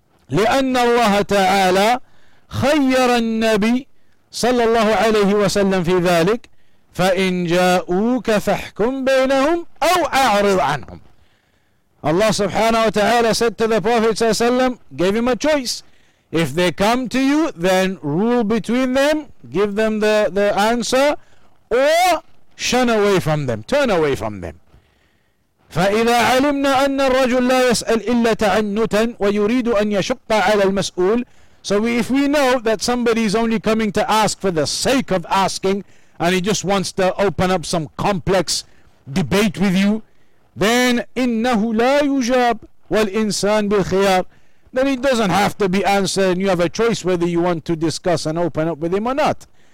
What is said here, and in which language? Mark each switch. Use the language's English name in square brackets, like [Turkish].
[Arabic] لِأَنَّ اللَّهَ تَعَالَى خَيَّرَ النَّبِيِّ صلى الله عليه وسلم في ذلك فإن جاءوك فاحكم بينهم أو أعرض عنهم. [English] Allah subhanahu wa ta'ala said to the Prophet وسلم, gave him a choice. If they come to you, then rule between them, give them the answer, or shun away from them, turn away from them. [Arabic] فإذا علمنا أن الرجل لا يسأل إلا تعنتا ويريد أن يشق على المسؤول. [English] So if we know that somebody is only coming to ask for the sake of asking, and he just wants to open up some complex debate with you, then [Arabic] إِنَّهُ لَا يُجَابْ وَالْإِنسَانُ بِالْخِيَارِ. [English] Then it doesn't have to be answered, and you have a choice whether you want to discuss and open up with him or not.